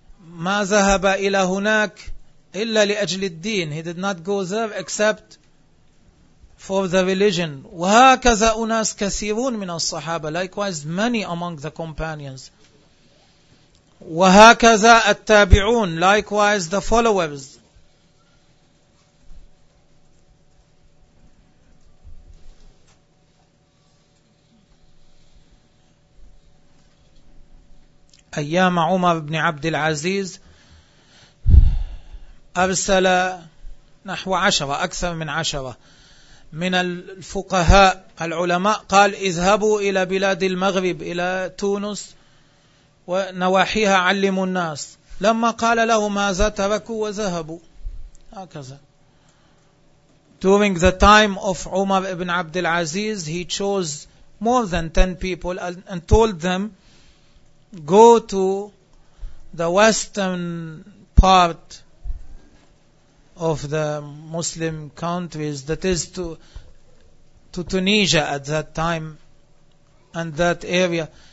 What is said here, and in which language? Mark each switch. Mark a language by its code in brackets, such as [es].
[ar] ما ذهب إلى هناك إلا لأجل الدين. [en] He did not go there except for the religion. [ar] وهكذا أناس كثيرون من الصحابة. [en] Likewise, many among the companions. [ar] وهكذا التابعون. [en] Likewise, the followers. [ar] أيام عمر بن عبد العزيز أرسل نحو عشرة أكثر من عشرة من الفقهاء العلماء قال اذهبوا إلى بلاد المغرب إلى تونس ونواحيها علموا الناس لما قال له ماذا تركوا وذهبوا هكذا. [en] During the time of عمر بن عبد العزيز he chose more than 10 people and told them go to the western part of the Muslim countries, that is to Tunisia at that time and that area.